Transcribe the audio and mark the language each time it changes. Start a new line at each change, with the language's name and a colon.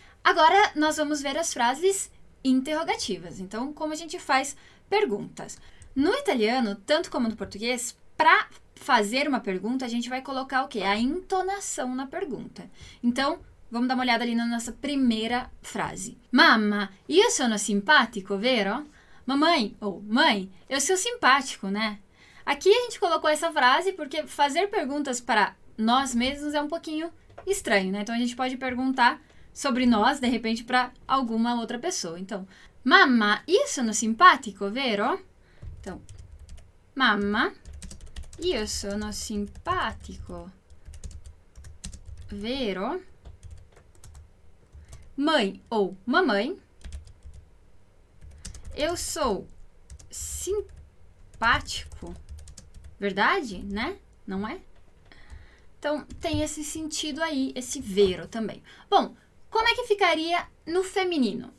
Portuguese: Agora nós vamos ver as frases interrogativas. Então, como a gente faz perguntas? No italiano, tanto como no português, para fazer uma pergunta, a gente vai colocar o quê? A entonação na pergunta. Então, vamos dar uma olhada ali na nossa primeira frase.
Italian: Mamma, io sono simpatico, vero?
Portuguese: Mamãe, ou mãe, eu sou simpático, né? Aqui a gente colocou essa frase porque fazer perguntas para nós mesmos é um pouquinho estranho, né? Então, a gente pode perguntar sobre nós, de repente, para alguma outra pessoa.
Italian: Então, mamma, io sono simpatico, vero? Então, mamma, io sono simpatico, vero?
Portuguese: Mãe ou mamãe, eu sou simpático, verdade, né? Não é? Então, tem esse sentido aí, esse vero também. Bom, como é que ficaria no feminino?